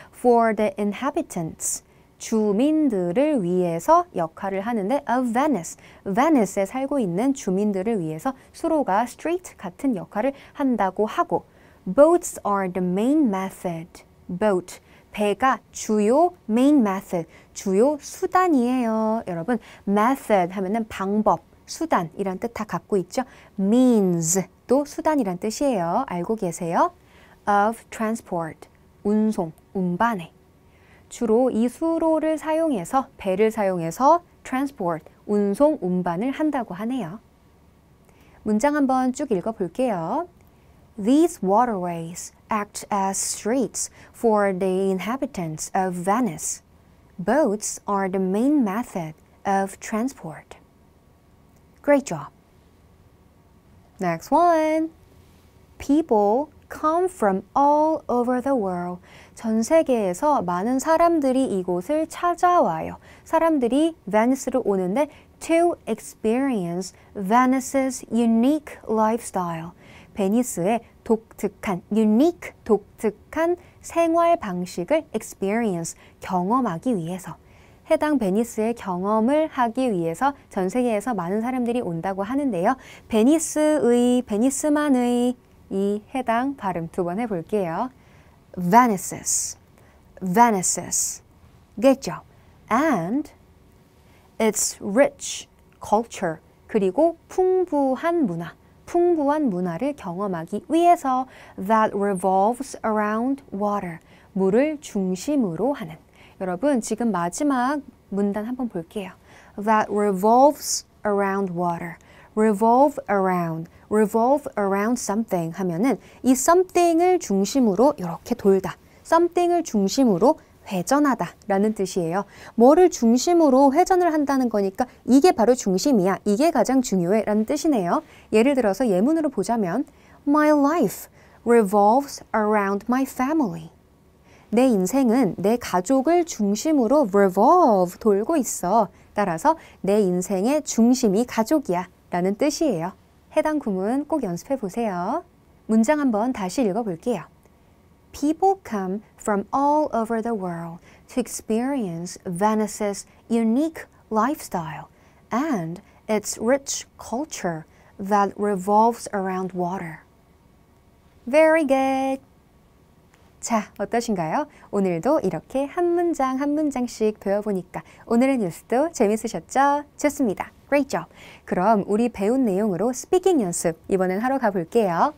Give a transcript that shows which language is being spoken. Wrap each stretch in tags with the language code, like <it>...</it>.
<en>For the inhabitants,</en> <ko>주민들을 위해서 역할을 하는데</ko> <en>of Venice,</en> <ko>Venice에 살고 있는 주민들을 위해서 수로가 street 같은 역할을 한다고 하고</ko> <en>boats are the main method,</en> <ko>boat, 배가 주요 main method, 주요 수단이에요. 여러분, method 하면은 방법, 수단이란 뜻 다 갖고 있죠. means도 수단이란 뜻이에요. 알고 계세요?</ko> <en>of transport,</en> <ko>운송, 운반에. 주로 이 수로를 사용해서, 배를 사용해서 transport, 운송, 운반을 한다고 하네요. 문장 한번 쭉 읽어볼게요.</ko> <en>These waterways act as streets for the inhabitants of Venice. Boats are the main method of transport. Great job. Next one. People come from all over the world.</en> <ko>전 세계에서 많은 사람들이 이곳을 찾아와요. 사람들이 베니스를 오는데</ko> <en>to experience Venice's unique lifestyle.</en> <ko>베니스의 독특한, unique, 독특한 생활 방식을 experience, 경험하기 위해서. 해당 베니스의 경험을 하기 위해서 전 세계에서 많은 사람들이 온다고 하는데요. 베니스의, 베니스만의 이 해당 발음 두 번 해볼게요. Venice's, Venice's, 겠죠?</ko> <en>And its rich culture,</en> <ko>그리고 풍부한 문화, 풍부한 문화를 경험하기 위해서</ko> <en>that revolves around water,</en> <ko>물을 중심으로 하는. 여러분, 지금 마지막 문단 한번 볼게요. That revolves around water. Revolve around.</ko> <en>Revolve around something</en> <ko>하면은 이 something을 중심으로 이렇게 돌다. Something을 중심으로 회전하다 라는 뜻이에요. 뭐를 중심으로 회전을 한다는 거니까 이게 바로 중심이야. 이게 가장 중요해 라는 뜻이네요.</ko> <en>예를 들어서 예문으로 보자면 My life revolves around my family.</en> <ko>내 인생은 내 가족을 중심으로 revolve 돌고 있어. 따라서 내 인생의 중심이 가족이야 라는 뜻이에요. 해당 구문 꼭 연습해 보세요. 문장 한번 다시 읽어볼게요.</ko> <en>People come from all over the world to experience Venice's unique lifestyle and its rich culture that revolves around water. Very good.</en> <ko>자, 어떠신가요? 오늘도 이렇게 한 문장 한 문장씩 배워보니까 오늘의 뉴스도 재밌으셨죠? 좋습니다.</ko> <en>Great job.</en> <ko>그럼 우리 배운 내용으로 스피킹 연습 이번엔 하러 가볼게요.</ko>